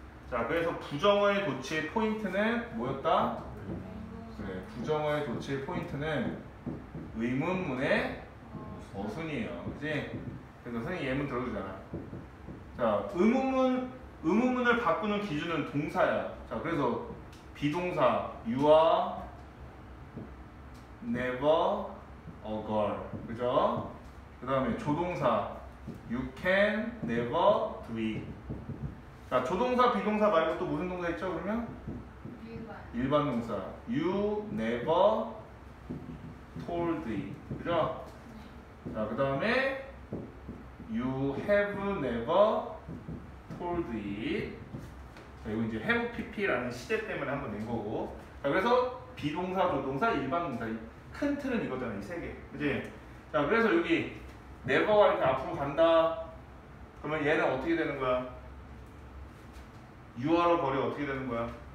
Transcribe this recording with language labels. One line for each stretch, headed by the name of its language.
Korean: 자, 그래서 부정어의 도치의 포인트는 뭐였다? 그래, 부정어의 도치의 포인트는 의문문의 어순이에요, 그지? 그래서 선생님 예문 들어주잖아. 자, 의문문을 바꾸는 기준은 동사야. 자, 그래서 비동사
English: you are never a girl,
Korean: 그죠?
English: 그 다음에 조동사 You can never do it.
Korean: 자, 조동사, 비동사 말고 또 무슨 동사 있죠 그러면? 일반. 일반 동사
English: You never told it,
Korean: 그죠? 네. 자, 그 다음에
English: You have never told it.
Korean: 자, 이거 이제 have pp라는 시제 때문에 한번 낸 거고. 자, 그래서 비동사, 조동사, 일반 동사 큰 틀은 이거잖아, 이 세 개, 그지? 자, 그래서 여기 never가 이렇게 앞으로 간다 그러면 얘는 어떻게 되는 거야? you are 버려 어떻게 되는 거야?